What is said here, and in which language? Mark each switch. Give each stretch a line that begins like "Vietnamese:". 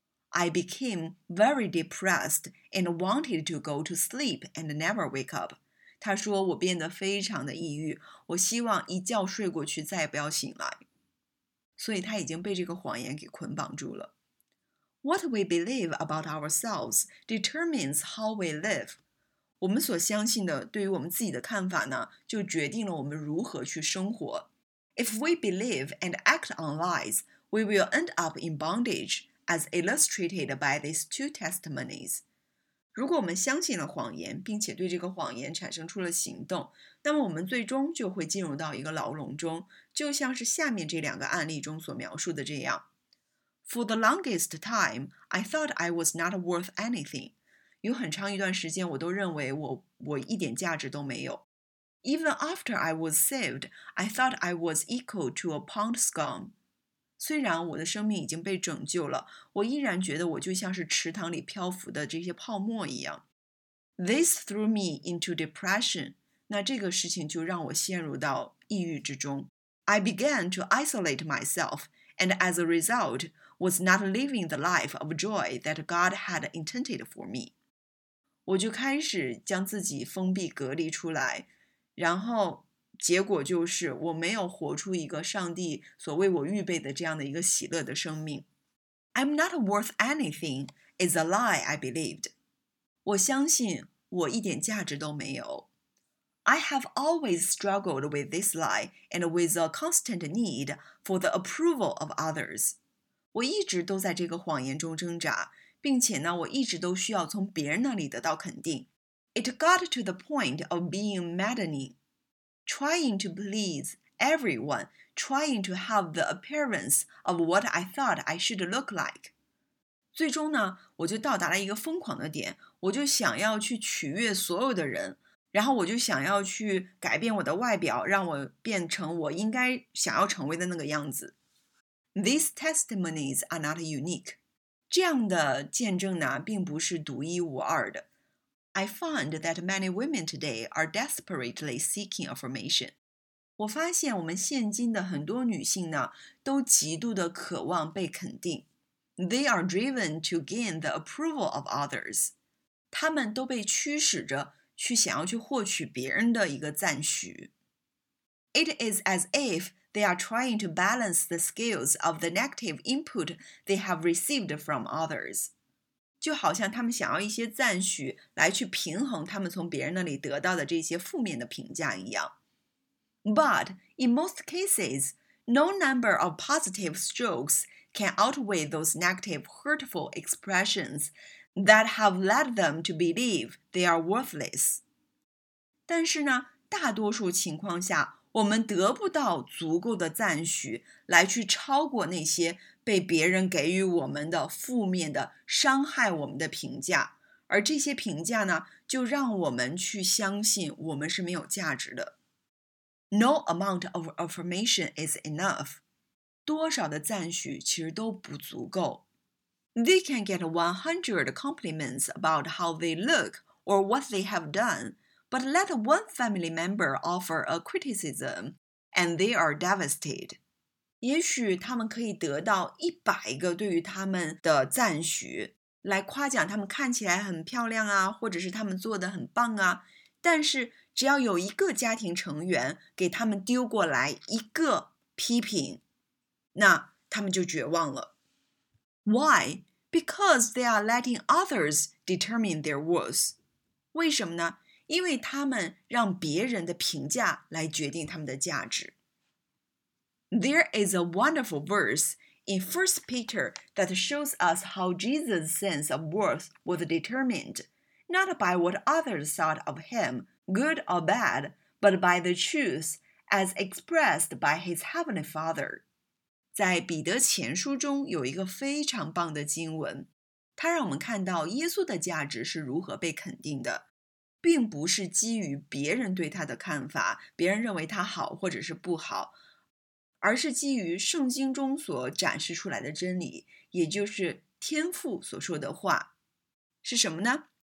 English: I became very depressed and wanted to go to sleep and never wake up.
Chinese: 他说我变得非常的抑郁，我希望一觉睡过去再也不要醒来。所以他已经被这个谎言给捆绑住了。
English: What we believe about ourselves determines how we live.
Chinese: 我们所相信的对于我们自己的看法呢，就决定了我们如何去生活。
English: If we believe and act on lies, we will end up in bondage. As illustrated by these two testimonies.
Chinese: 如果我们相信了谎言，并且对这个谎言产生出了行动，那么我们最终就会进入到一个牢笼中，就像是下面这两个案例中所描述的这样。
English: For the longest time, I thought I was not worth anything.
Chinese: 有很长一段时间我都认为我一点价值都没有。
English: Even after I was saved, I thought I was equal to a pond scum.
Chinese: 虽然我的生命已经被拯救了，我依然觉得我就像是池塘里漂浮的这些泡沫一样。
English: This threw me into depression.
Chinese: 那这个事情就让我陷入到抑郁之中。
English: I began to isolate myself, and as a result, was not living the life of joy that God had intended for me.
Chinese: 我就开始将自己封闭隔离出来，然后结果就是我没有活出一个上帝所为我预备的这样的一个喜乐的生命。
English: I'm not worth anything is a lie I believed.
Chinese: 我相信我一点价值都没有。
English: I have always struggled with this lie and with a constant need for the approval of others.
Chinese: 我一直都在这个谎言中挣扎，并且呢，我一直都需要从别人那里得到肯定。
English: It got to the point of being maddening. Trying to please everyone, trying to have the appearance of what I thought I should look like.
Chinese: 最终呢，我就到达了一个疯狂的点，我就想要去取悦所有的人，然后我就想要去改变我的外表，让我变成我应该想要成为的那个样子。
English: These testimonies are not unique.
Chinese: 这样的见证呢，并不是独一无二的。
English: I find that many women today are desperately seeking affirmation.
Chinese: 我发现我们现今的很多女性呢，都极度的渴望被肯定。
English: They are driven to gain the approval of others.
Chinese: 她们都被驱使着去想要去获取别人的一个赞许。
English: It is as if they are trying to balance the scales of the negative input they have received from others.
Chinese: 就好像他们想要一些赞许来去平衡他们从别人那里得到的这些负面的评价一样。
English: But in most cases, no number of positive strokes can outweigh those negative hurtful expressions that have led them to believe they are worthless.
Chinese: 但是呢，大多数情况下，我们得不到足够的赞许来去超过那些被别人给予我们的负面的伤害我们的评价，而这些评价呢，就让我们去相信我们是没有价值的。
English: No amount of affirmation is enough.
Chinese: 多少的赞许其实都不足够。
English: They can get 100 compliments about how they look or what they have done, but let one family member offer a criticism and they are devastated.
Chinese: 也许他们可以得到100对于他们的赞许，来夸奖他们看起来很漂亮啊，或者是他们做得很棒啊，但是只要有一个家庭成员给他们丢过来一个批评，那他们就绝望了。
English: Why? Because they are letting others determine their worth.
Chinese: 为什么呢？因为他们让别人的评价来决定他们的价值。
English: There is a wonderful verse in 1 Peter that shows us how Jesus' sense of worth was determined, not by what others thought of him, good or bad, but by the truth as expressed by his heavenly Father.
Chinese: 在彼得前书中有一个非常棒的经文，它让我们看到耶稣的价值是如何被肯定的，并不是基于别人对他的看法，别人认为他好或者是不好，而是基于圣经中所展示出来的真理，也就是天父所说的话，是什么呢？